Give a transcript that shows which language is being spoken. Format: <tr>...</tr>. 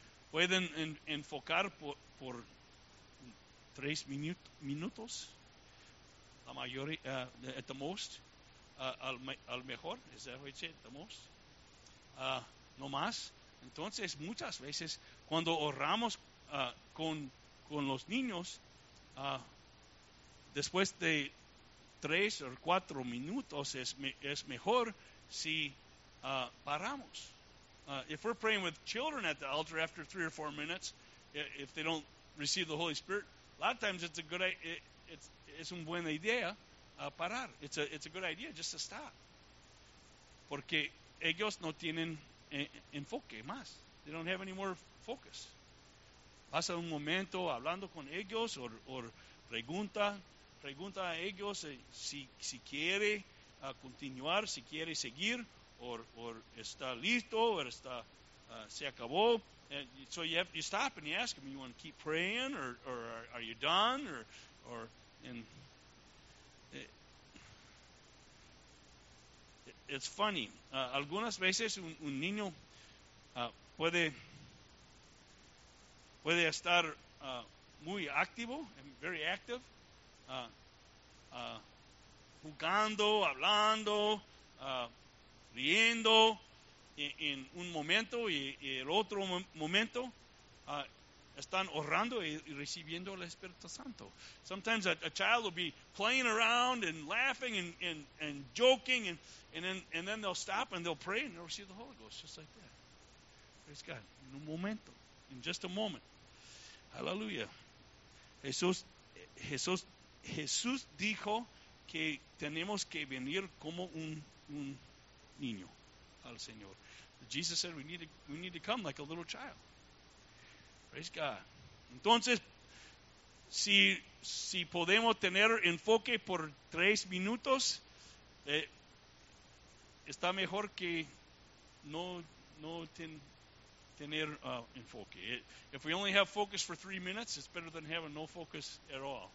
<es>Pueden enfocar por tres minutos, la mayoría,</es> <en>at the most,</en> <es>al mejor,</es> <en>is that what you say, at the most,</en> <es>no más. Entonces, muchas veces, cuando oramos con los niños, después de tres o cuatro minutos, es mejor si paramos.</es> <en>If we're praying with children at the altar after 3 or 4 minutes, if they don't receive the Holy Spirit, a lot of times it's a good it's</en> <es>un buena idea parar.</es> <en>It's a good idea just to stop.</en> <es>Porque ellos no tienen enfoque más.</es> <en>They don't have any more focus.</en> <es>Pasa un momento hablando con ellos o pregunta a ellos si quiere continuar, si quiere seguir. Or está listo, or está se acabó.</es> <en>And so you stop and you ask them, you want to keep praying, or are you done, or and it's funny.</en> <es>Algunas veces un niño puede estar muy activo,</es> <en>and very active,</en> <es>jugando, hablando. Riendo en un momento y el otro momento están orando y recibiendo el Espíritu Santo.</es> <en>Sometimes a child will be playing around and laughing and joking and then they'll stop and they'll pray and they'll receive the Holy Ghost just like that. Praise God.</en> <es>En un momento.</es> <en>In just a moment. Hallelujah.</en> <es>Jesús dijo que tenemos que venir como un niño al Señor.</es> <en>Jesus said we need to come like a little child. Praise God.</en> <es>Entonces, si podemos tener enfoque por tres minutos, está mejor que no tener enfoque.</es> <en>If we only have focus for 3 minutes, it's better than having no focus at all.</en>